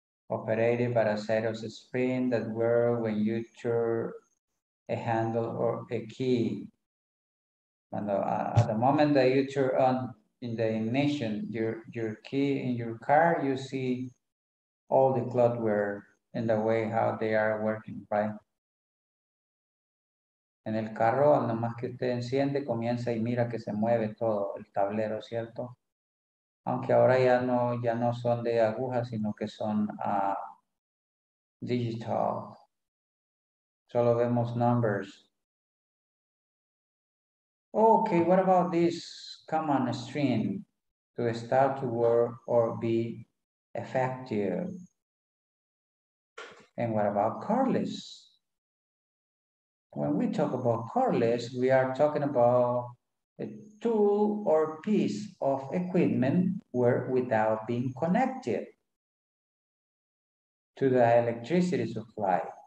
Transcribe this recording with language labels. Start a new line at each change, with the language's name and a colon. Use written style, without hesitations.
English: Operated by a set of springs that work when you turn a handle or a key. And at the moment that you turn on in the ignition, your key in your car, you see all the clockwork in the way how they are working, right?
Spanish: En el carro, nada más que usted enciende, comienza y mira que se mueve todo el tablero, ¿cierto? Aunque ahora ya no son de agujas, sino que son digital. Solo vemos numbers.
English: Okay, what about this common string to start to work or be effective? And what about cordless? When we talk about cordless, we are talking about a tool or piece of equipment work without being connected to the electricity supply.